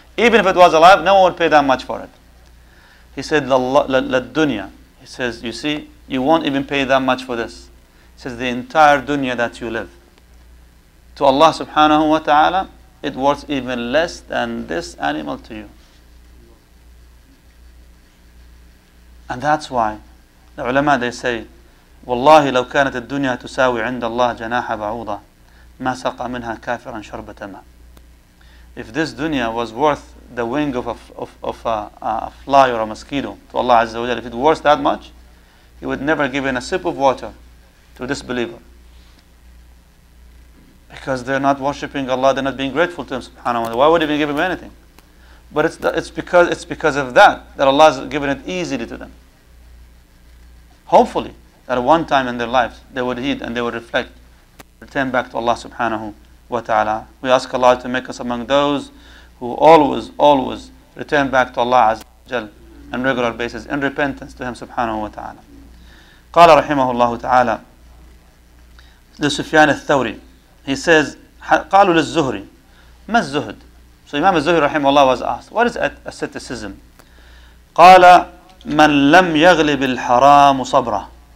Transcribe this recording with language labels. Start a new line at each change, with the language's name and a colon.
English: Even if it was alive, no one would pay that much for it. He said, la dunya. He says, you see, you won't even pay that much for this. He says, the entire dunya that you live, to Allah subhanahu wa ta'ala, it worth even less than this animal to you.
Arabic: And that's why the ulama, they say, وَاللَّهِ لَوْ كَانَتَ الدُّنْيَا تُسَاوِي عِنْدَ اللَّهِ جَنَاحَ بَعُوضَ مَا سَقَى مِنْهَا كَافِرًا شَرْبَتَمَا.
English: If this dunya was worth the wing of a fly or a mosquito to Allah Azza wa Jalla, if it was worth that much, He would never give in a sip of water to a disbeliever. Because they're not worshipping Allah, they're not being grateful to Him subhanahu wa ta'ala. Why would He give Him anything? But it's because of that Allah has given it easily to them. Hopefully, that one time in their lives, they would heed and they would reflect, return back to Allah subhanahu wa ta'ala. We ask Allah to make us among those who always, always return back to Allah azza wa jal on regular basis in repentance to Him subhanahu wa ta'ala.
Arabic: قال رحمه الله تعالى لسفيان الثوري,
English: he says,
Arabic: قالوا للزهري, ما الزهد?
English: So Imam al-Zuhri
Arabic: رحمه الله
English: was asked, what is asceticism?
Arabic: قال, من لم يغلب الحرام صبرا.